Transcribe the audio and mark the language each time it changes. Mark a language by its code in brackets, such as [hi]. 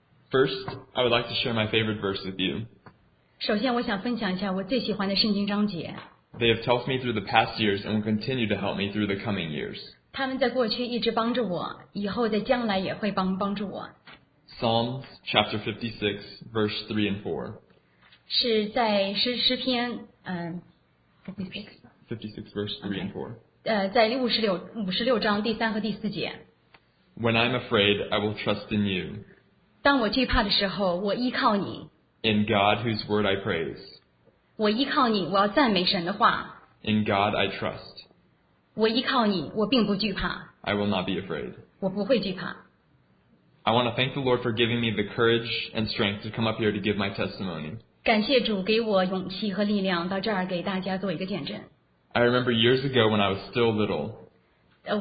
[en] First, I would like to share my favorite verse with you. [zh] 首先我想分享一下我最喜欢的圣经章节。 [en] They have helped me through the past years and will continue to help me through the coming years. [zh] 他们在过去一直帮助我，以后在将来也会帮助我。 [en] Psalms chapter 56, verse 3 and 4. [zh] 是在诗篇 [en] 56 verse 3 and 4. [zh] 在56章第三和第四节。 [en] When I'm afraid, I will trust in you. [zh] 当我惧怕的时候，我依靠你。 [en] In God, whose word I praise. [zh] 我依靠你，我要赞美神的话。 [en] In God, I trust. [zh] 我依靠你，我并不惧怕。 [en] I will not be afraid. [zh] 我不会惧怕。 [en] I want to thank the Lord for giving me the courage and strength to come up here to give my testimony. [zh] 感谢主给我勇气和力量到这儿给大家做一个见证。 [en] I remember years ago when I was still little.